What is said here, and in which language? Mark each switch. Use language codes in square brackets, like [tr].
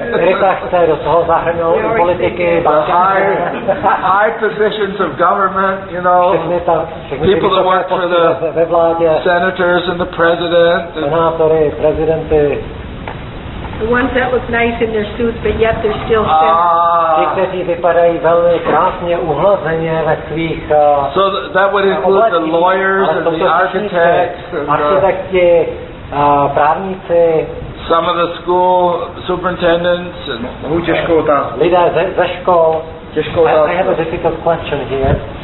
[cs] Rita chce do toho zahrnout politiky, bankéry. [en] High positions of government, you know. People that work for the senators and the president. [cs] Senátory, prezidenty. [en] The ones that look nice in their suits, but yet they're still sinners. [cs] Ti, kteří vypadají velmi krásně uhlazeně ve svých oblečeních. [en] So that would include the lawyers and the architects. [cs] Architekti, právníci. [en] Some of the school superintendents. [cs] Těžkou otázku. Lidé ze škol. Těžkou otázku. [en] I have a difficult question here.